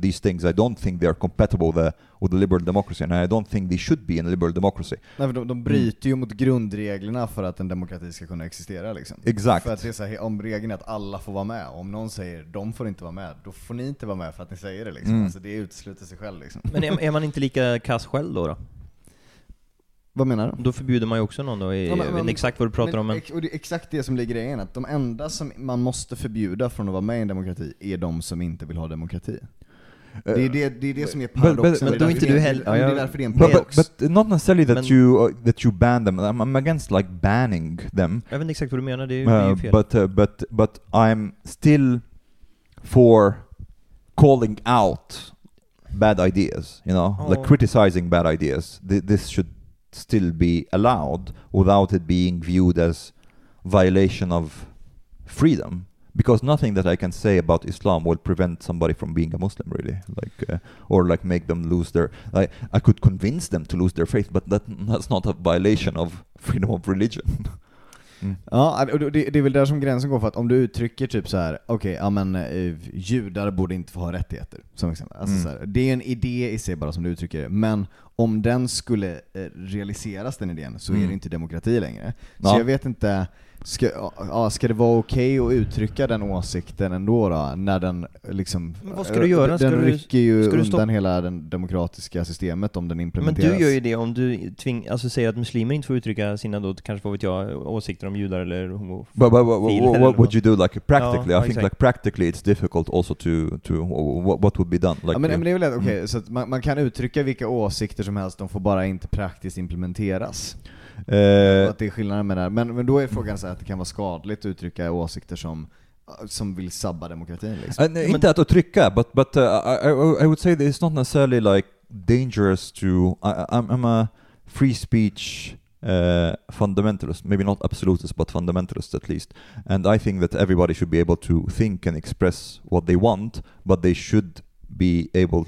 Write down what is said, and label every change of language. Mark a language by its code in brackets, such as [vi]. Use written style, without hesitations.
[en] These things, I don't think they are compatible with the liberal democracy, and I don't think they should be in a liberal democracy. [sv] Nej, för de bryter ju mot grundreglerna för att en demokrati ska kunna existera. Liksom. Exakt. För att det är så här, om regeln är att alla får vara med, om någon säger de får inte vara med, då får ni inte vara med för att ni säger det. Liksom. Mm. Alltså, det utesluter sig själv. Liksom. Men är man inte lika kass själv då? Vad menar du? Då förbjuder man ju också någon då. Exakt vad du pratar om. Och det är exakt det som ligger i grejen. Att de enda som man måste förbjuda från att vara med i en demokrati är de som inte vill ha demokrati. Det är det som är paradoxen. Men då är inte du heller. Det är därför det är en paradox. [en] But not necessarily that you ban them. I'm against like banning them. [sv] Jag vet inte exakt vad du menar. Det är ju fel. [en] But I'm still for calling out bad ideas. You know? Like criticizing bad ideas. This should still be allowed without it being viewed as violation of freedom, because nothing that I can say about Islam will prevent somebody from being a Muslim, really, like or like make them lose their, like, I could convince them to lose their faith, but that's not a violation of freedom of religion. Mm. [sv] Ja, det är väl där som gränsen går, för att om du uttrycker typ så här, okej, okay, ja men judar borde inte få ha rättigheter som exempel. Alltså så här, det är en idé i sig bara som du uttrycker, men om den skulle realiseras, den idén, så är det inte demokrati längre. Så jag vet inte, ska det vara okej att uttrycka den åsikten ändå då, när den liksom... Men vad ska du göra? Den ska rycker ju du undan hela det demokratiska systemet om den implementeras. Men du gör ju det om du alltså säger att muslimer inte får uttrycka sina, då kanske får jag åsikter om judar eller homofil. [en] What would you do like practically? Ja, I think exactly. Like practically it's difficult also to what would be done? Like, [sv] ja, men det är väl okej, okay, så att man kan uttrycka vilka åsikter som helst, de får bara inte praktiskt implementeras. Att det är skillnaden med det här. Men då är frågan så att det kan vara skadligt att uttrycka åsikter som vill sabba demokratin. Liksom. Inte att uttrycka, [en] but I would say that it's not necessarily like dangerous to... I'm a free speech fundamentalist. Maybe not absolutist, but fundamentalist at least. And I think that everybody should be able to think and express what they want, but they should be able...